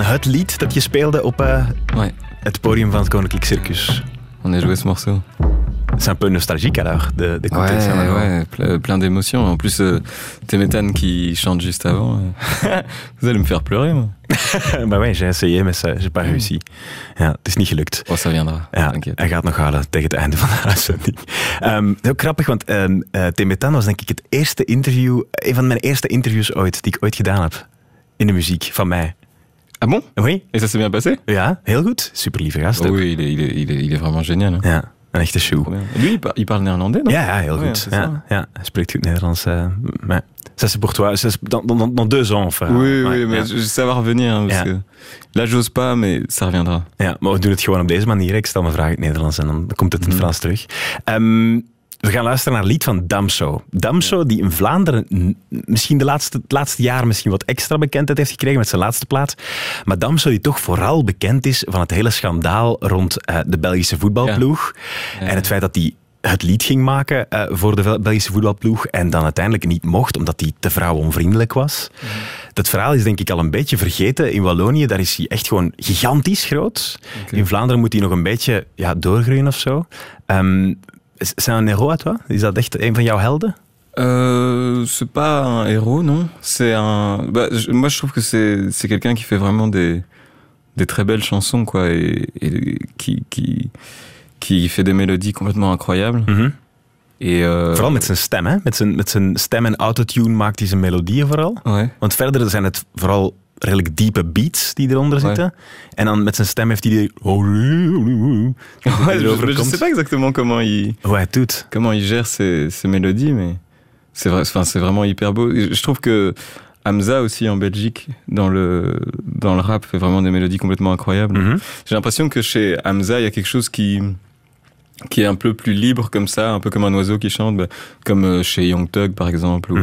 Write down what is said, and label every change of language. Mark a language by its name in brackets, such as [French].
[Dutch] Het lied dat je speelde op het podium van het Koninklijk Circus. [French] On est joué ce morceau. C'est un peu nostalgique alors, de côté ouais, de ça. Ouais, plein d'émotions. En plus, Temetan qui chante juste avant. Vous allez me faire pleurer, moi. Bah ouais, j'ai essayé, mais ça, j'ai pas réussi. [Dutch] Ja, het is niet gelukt. [French] Oh, ça viendra. [Dutch] Ja, hij gaat nog halen tegen het einde van de uitzending. Heel grappig, want Temetan was denk ik het eerste interview, een van mijn eerste interviews ooit, die ik ooit gedaan heb. In de muziek, van mij. [French] Ah bon? Oui. Et ça s'est bien passé? [Dutch] Ja, heel goed. Super lieve gast. [French] Oui, il est vraiment génial. Hein? [Dutch] Ja, een echte show. [French] Lui, il parle néerlandais, non? [Dutch] Ja, heel goed. Ja, ja, hij spreekt goed Nederlands. [French] Mais... Ça c'est pour toi, ça c'est dans deux ans, enfin. Oui, ouais, oui, mais ça ouais. Va revenir. Hein, parce que là, j'ose pas, mais ça reviendra. [Dutch] Ja, maar we doen het gewoon op deze manier. Ik stel mijn vraag in het Nederlands en dan komt het in het Frans terug. We gaan luisteren naar een lied van Damso. Damso, die in Vlaanderen misschien het laatste jaar misschien wat extra bekendheid heeft gekregen met zijn laatste plaat. Maar Damso, die toch vooral bekend is van het hele schandaal rond de Belgische voetbalploeg. Ja. En het feit dat hij het lied ging maken voor de Belgische voetbalploeg en dan uiteindelijk niet mocht, omdat hij te vrouwenonvriendelijk was. Ja. Dat verhaal is denk ik al een beetje vergeten. In Wallonië, daar is hij echt gewoon gigantisch groot. Okay. In Vlaanderen moet hij nog een beetje doorgroeien of zo. [French] C'est un héros à toi? [Dutch] Is dat echt een van jouw helden? [French] C'est pas un héros, non. C'est un. Bah, moi, je trouve que c'est quelqu'un qui fait vraiment des très belles chansons, quoi, et qui fait des mélodies complètement incroyables. Mm-hmm. Et [Dutch] vooral met zijn stem, hè? Met zijn stem en autotune maakt hij zijn melodieën vooral. [French] Ouais. [Dutch] Want verder zijn het vooral redelijk diepe beats die eronder zitten. En dan met zijn stem heeft hij die [French] je sais pas exactement comment comment il gère ses mélodies, mais c'est vraiment hyper beau. Je trouve que Hamza aussi en Belgique dans le rap fait vraiment des mélodies complètement incroyables. Mm-hmm. J'ai l'impression que chez Hamza il y a quelque chose qui est un peu plus libre comme ça, un peu comme un oiseau qui chante, bah, comme chez Young Thug par exemple.